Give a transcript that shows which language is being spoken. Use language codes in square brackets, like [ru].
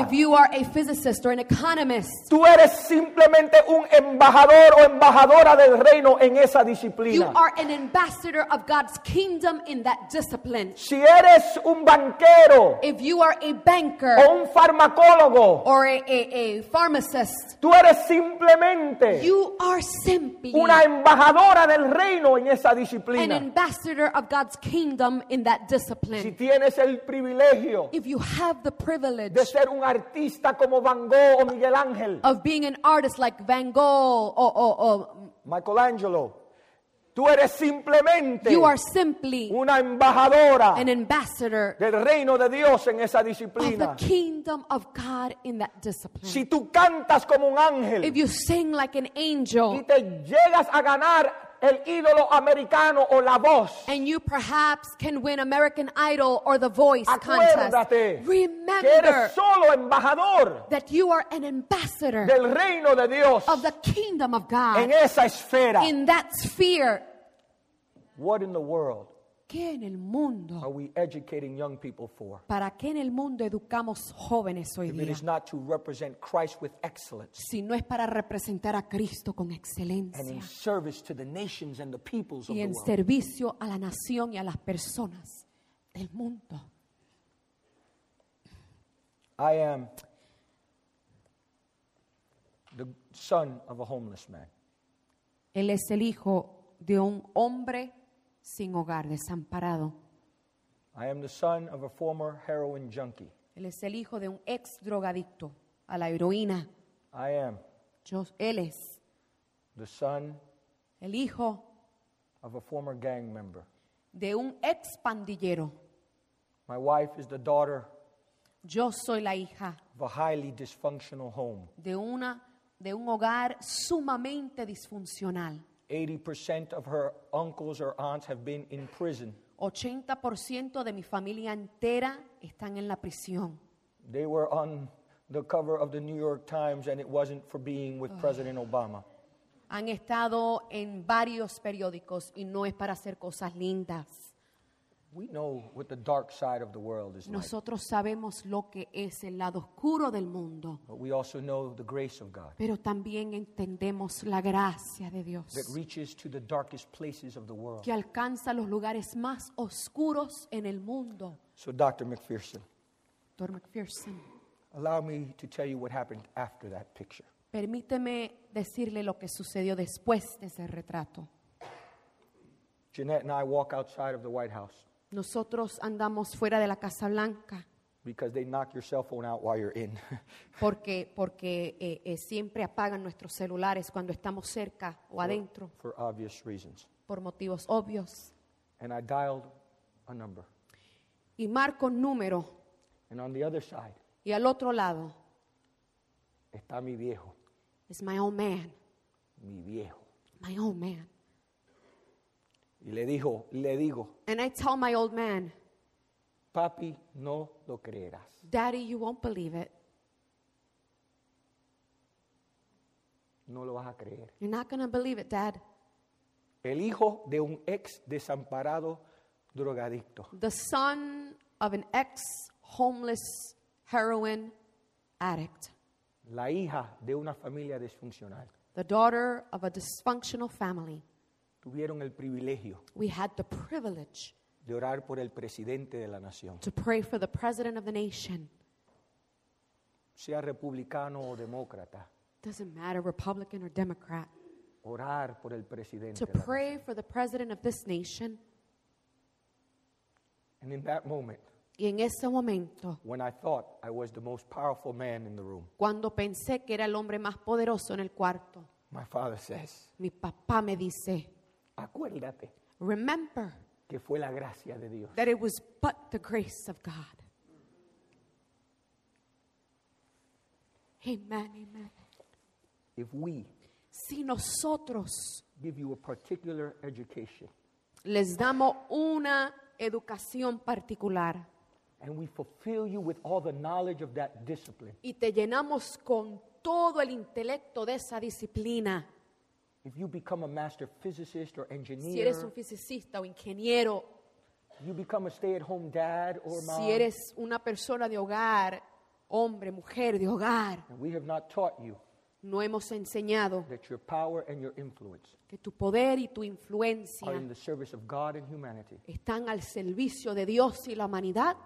[en] if you are a physicist or an economist, [es] tú eres simplemente un embajador o embajadora del reino en esa disciplina. [en] You are an ambassador of God's kingdom in that discipline. [es] Si eres un banquero, [en] if you are a banker, [es] o un farmacólogo, [en] or a pharmacist, [es] tú eres simplemente, [en] you are simply, [es] una embajadora del reino en esa disciplina, [en] an ambassador of God's kingdom in that discipline. [es] Si tienes el privilegio, [en] if you have the privilege, [es] de ser un artista como Van Gogh o Miguel Ángel, [en] of being an artist like Van Gogh or [es] Michelangelo, Tú eres simplemente [en] you are simply [es] una embajadora [en] an ambassador [es] del reino de Dios en esa disciplina. [en] Of the kingdom of God in that discipline. [es] Si tú cantas como un ángel, [en] if you sing like an angel, [es] y te llegas a ganar el ídolo americano o la voz, [en] and you perhaps can win American Idol or the Voice contest. Remember [es] que eres solo embajador [en] that you are an ambassador [es] del reino de Dios [en] of the kingdom of God [es] en esa esfera. [en] In that sphere. What in the world? [es] ¿Qué en el mundo [en] are we educating young people for? [es] ¿Para qué en el mundo educamos jóvenes hoy [en] if [es] día? [en] It is not to represent Christ with excellence. [es] Si no es para representar a Cristo con excelencia. [en] And in service to the nations and the peoples [es] y [en] of the [es] en [en] world. [es] Servicio a la nación y a las personas del mundo. [en] I am the son of a homeless man. [es] Él es el hijo de un hombre sin hogar, desamparado. [en] I am the son of a former heroin junkie. [es] Él es el hijo de un ex drogadicto a la heroína. [en] I am. [es] Yo, él es. [en] The son. [es] El hijo. [en] Of a former gang member. [es] De un ex pandillero. [en] My wife is the daughter. [es] Yo soy la hija. [en] Of a highly dysfunctional home. [es] De un hogar sumamente disfuncional. [en] 80% of her uncles or aunts have been in prison. [es] 80% de mi familia entera están en la prisión. [en] They were on the cover of the New York Times, and it wasn't for being with President Obama. [es] Han estado en varios periódicos y no es para hacer cosas lindas. [en] We know what the dark side of the world is like. [es] Nosotros sabemos lo que es el lado oscuro del mundo. [en] But we also know the grace of God. [es] Pero también entendemos la gracia de Dios. [en] That reaches to the darkest places of the world. [es] Que alcanza los lugares más oscuros en el mundo. [en] So Dr. McPherson. Dr. McPherson. Allow me to tell you what happened after that picture. [es] Permíteme decirle lo que sucedió después de ese retrato. [en] Jeanette and I walk outside of the White House. [es] Nosotros andamos fuera de la Casa Blanca. [en] Because they knock your cell phone out while you're in. [es] porque siempre apagan nuestros celulares cuando estamos cerca o adentro. [en] For obvious reasons. [es] Por motivos obvios. [en] And I dialed a number. [es] Y marco un número. [en] And on the other side. [es] Y al otro lado. Está mi viejo. [en] It's my old man. [es] Mi viejo. [en] My old man. [es] Y le dijo, le digo. [en] And I tell my old man. [es] Papi, no lo creerás. [en] Daddy, you won't believe it. [es] No lo vas a creer. [en] You're not going to believe it, Dad. [es] El hijo de un ex desamparado drogadicto. [en] The son of an ex homeless heroin addict. [es] La hija de una familia disfuncional. [en] The daughter of a dysfunctional family. [es] Tuvieron el privilegio. [en] We had the privilege [es] de orar por el presidente de la nación. [en] To pray for the president of the nation. [es] Sea republicano o demócrata. [en] Doesn't matter, Republican or Democrat. [es] Orar por el presidente. [en] To pray for the president of this nation. And in that moment. [es] Y en ese momento. [en] When I thought I was the most powerful man in the room. [es] Cuando pensé que era el hombre más poderoso en el cuarto. [en] My father says. [es] Mi papá me dice. Acuérdate. [en] Remember [es] que fue la gracia de Dios. [en] That it was but the grace of God. Amen, amen. If we [es] si nosotros [en] give you a particular education, [es] les damos una educación particular, [en] and we fulfill you with all the knowledge of that discipline, [es] y te llenamos con todo el intelecto de esa disciplina. [en] If you become a master physicist or engineer, [es] si eres un fisicista o ingeniero, [en] you become a stay-at-home dad or mom, [es] si eres una persona de hogar, hombre, mujer de hogar, [en] we have not taught you, [es] no hemos enseñado, [en] that your power and your influence, [es] que tu poder y tu influencia, [en] are in the service of God and humanity, [es] están al servicio de Dios y la humanidad,